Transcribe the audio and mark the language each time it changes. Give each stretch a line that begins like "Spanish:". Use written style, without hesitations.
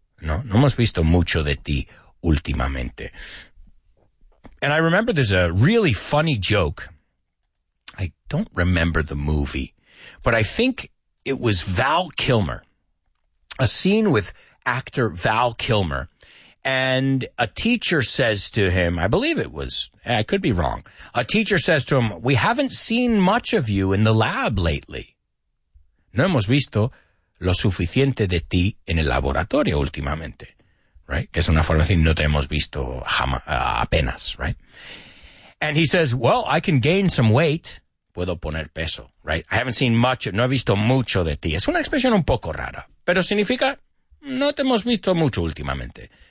Spanish: No, no hemos visto mucho de ti últimamente.
English: And I remember there's a really funny joke. I don't remember the movie, but I think it was Val Kilmer. A scene with actor Val Kilmer. And a teacher says to him, I believe it was, I could be wrong. A teacher says to him, "We haven't seen much of you in the lab lately."
Spanish: No hemos visto lo suficiente de ti en el laboratorio últimamente, right? Que es una forma de decir, no te hemos visto apenas, right?
English: And he says, "Well, I can gain some weight."
Spanish: Puedo poner peso, right?
English: I haven't seen much,
Spanish: no he visto mucho de ti. Es una expresión un poco rara, pero significa, no te hemos visto mucho últimamente.